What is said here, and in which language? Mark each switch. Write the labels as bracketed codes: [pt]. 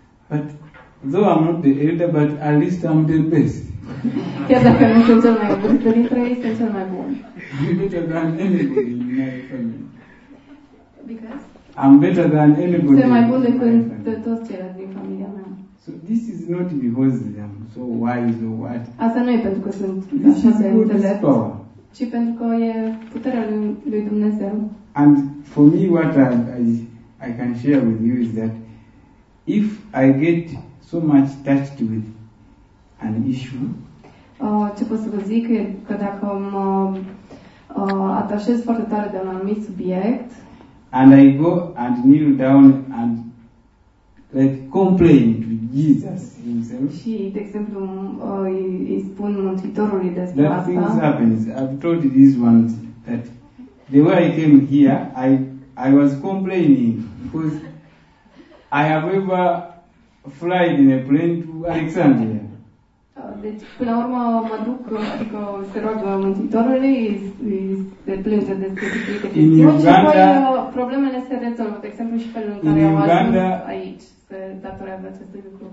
[en] But though I'm not the elder, but at least I'm the best. [ro] Chiar dacă nu sunt cel mai vârstă dintre ei, sunt cel mai bun. [en] You're better than anybody in my family. Because? I'm better than anybody. [ro] Sunt mai bun decât toți ceilalți din familia mea. [en] So this is not because I'm so wise or what. [ro] Asta nu e pentru că sunt așa de înțelept, ci pentru că e puterea lui Dumnezeu. [en] And for me, what I can share with you is that if I get so much touched with an issue, [ro] ce pot să vă zic e că dacă mă atașez foarte tare de un anumit subiect, [en] and I go and kneel down and like complain to Jesus himself, [ro] și de exemplu îi spun Mântuitorului despre asta, [en] that things happens. I've told this one that the way I came here, I was complaining because I have ever flied in a plane to Alexandria. [ro] Deci, până la urmă, mă duc, adică se roagă Mântuitorului, se plânge despre chestii. În Uganda, problemele se rezolvă, de exemplu, și felul în care am ajuns aici, se datorează acestui lucru.